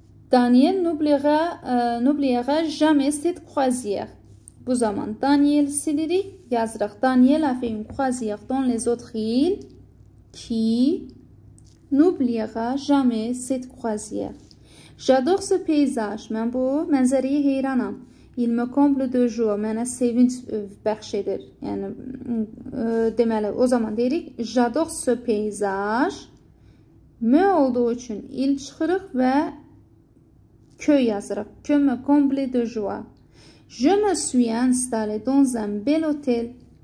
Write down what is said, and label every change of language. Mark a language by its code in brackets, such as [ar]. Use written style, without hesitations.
[fr] Daniel n'oubliera jamais cette croisière. [az] Bu zaman Daniel silirik, yazırıq. [fr] Daniel a fait une croisière dans les autres îles qui n'oubliera jamais cette croisière. J'adore ce paysage. [az] Mən bu mənzərəyə heyranam. [fr] Il me comble de joie. [az] Mənə sevinç bəxş edir. Yəni deməli o zaman deyirik [fr] j'adore ce paysage. [az] M olduğu üçün il çıxırıq və k yazırıq. [fr] Que me comble de joie. Je me suis installé dans un bel hôtel.